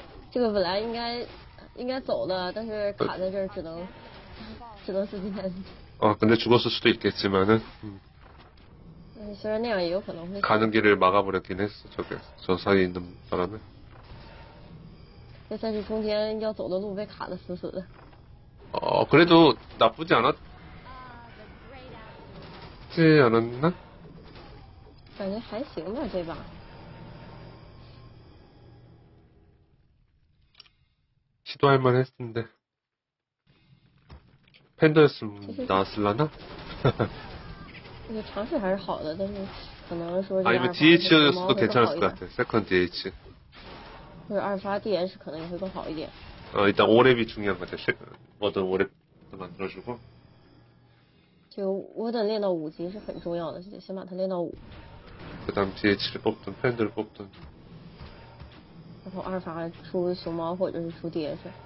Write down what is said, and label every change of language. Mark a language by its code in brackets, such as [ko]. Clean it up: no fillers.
[zh] 这个本来应该走的但是卡在这儿只能自己先 [ko] 아근데죽었을수도있겠지만은 [zh] 虽然那样也有可能会 [ko] 가는길을막아버렸긴했어저게저사이에있는바람에 [zh] 这算是中间要走的路被卡的死死的 [ko] 그래도나쁘지않았지않았나 [zh] 感觉还行吧这把 [ko] 시도할만했는데팬더였으면나왔을라나 [zh] 이게尝试还是好的但是可能说 [ko] 아니면 DH 였어도괜찮았을것같아세컨 DH [zh] 或者二发 DH 可能也会更好一点 [ko] 일단오랩이중요한것같아워든오랩도만들어주고 [zh] 这个沃顿练到五级是很重要的先把它练到五 [ko] 그다음 DH를 뽑든 팬들을 뽑든 [zh] 然后阿尔法出熊猫或者是出 DS。